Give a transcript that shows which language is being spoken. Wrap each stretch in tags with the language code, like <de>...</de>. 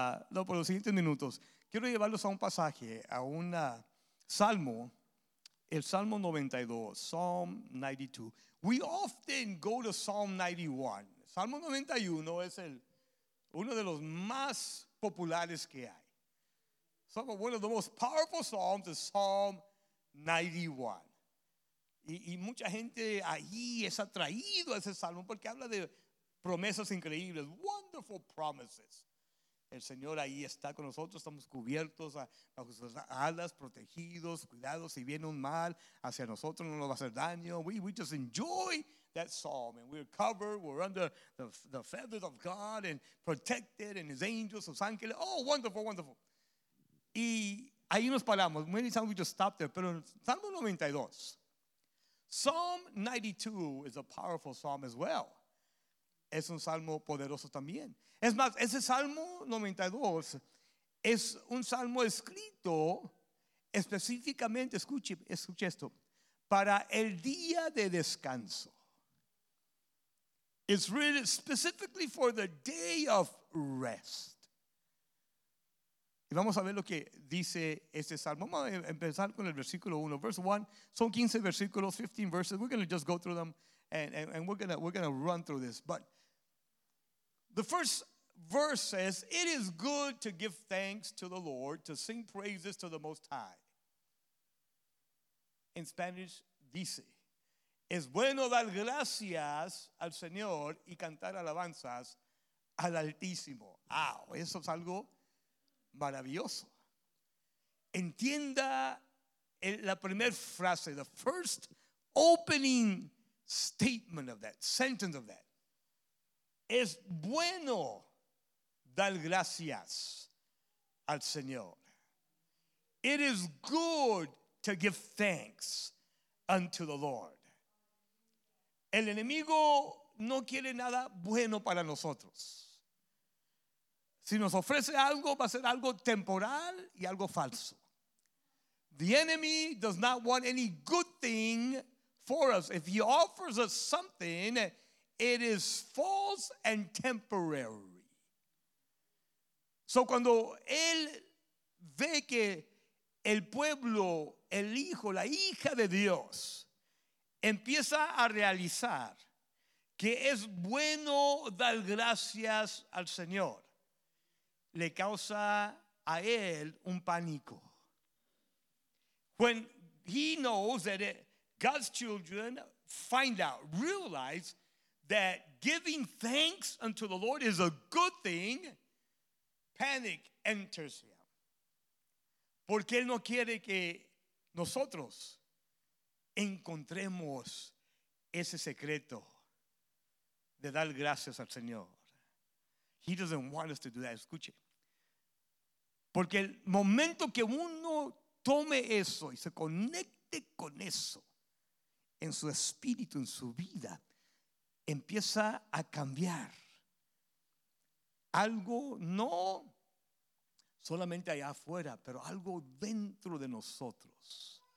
<es>No, por los siguientes minutos, quiero llevarlos a un pasaje, a un salmo, el Salmo 92,</es> <en>Psalm 92. We often go to Psalm 91.</en> <es>Salmo 91 es uno de los más populares que hay.</es> <en>So one of the most powerful psalms is Psalm 91.</en> <es>Y mucha gente ahí es atraído a ese salmo porque habla de promesas increíbles,</es> <en>wonderful promises.</en> <es>El Señor ahí está con nosotros, estamos cubiertos bajo sus alas, protegidos, cuidados. Si viene un mal hacia nosotros, no nos va a hacer daño.</es> <en>We just enjoy that psalm, and we're covered, we're under the feathers of God and protected, and his angels,</en> <es>sus ángeles.</es> <en>Oh, wonderful, wonderful.</en> <es>Y ahí nos paramos.</es> <en>Many times we just stop there,</en> <es>pero en Salmo 92,</es> <en>Psalm 92 is a powerful psalm as well.</en> <es>es un salmo poderoso también. Es más, ese salmo 92 es un salmo escrito específicamente, escuche esto, para el día de descanso.</es> <en>It's written specifically for the day of rest.</en> <es>Y vamos a ver lo que dice este salmo. Vamos a empezar con el versículo 1.</es> <en>Verse 1,</en> <es>son 15 versículos,</es> <en>15 verses. We're going to just go through them and we're going to run through this. But the first verse says, it is good to give thanks to the Lord, to sing praises to the Most High. In Spanish,</en> <es>dice, es bueno dar gracias al Señor y cantar alabanzas al Altísimo. Wow, eso es algo maravilloso. Entienda la primera frase,</es> <en>the first opening statement of that, sentence of that.</en> <es>Es bueno dar gracias al Señor.</es> <en>It is good to give thanks unto the Lord.</en> <es>El enemigo no quiere nada bueno para nosotros. Si nos ofrece algo, va a ser algo temporal y algo falso.</es> <en>The enemy does not want any good thing for us. If he offers us something, it is false and temporary.</en> <es>So cuando él ve que el pueblo, el hijo, la hija de Dios, empieza a realizar que es bueno dar gracias al Señor, le causa a él un pánico.</es> <en>When he knows that God's children find out, realize that giving thanks unto the Lord is a good thing, panic enters him.</en> <es>Porque él no quiere que nosotros encontremos ese secreto de dar gracias al Señor.</es> <en>He doesn't want us to do that.</en> <es>Escuche. Porque el momento que uno tome eso y se conecte con eso en su espíritu, en su vida, empieza a cambiar algo, no solamente allá afuera, pero algo dentro de nosotros.</es>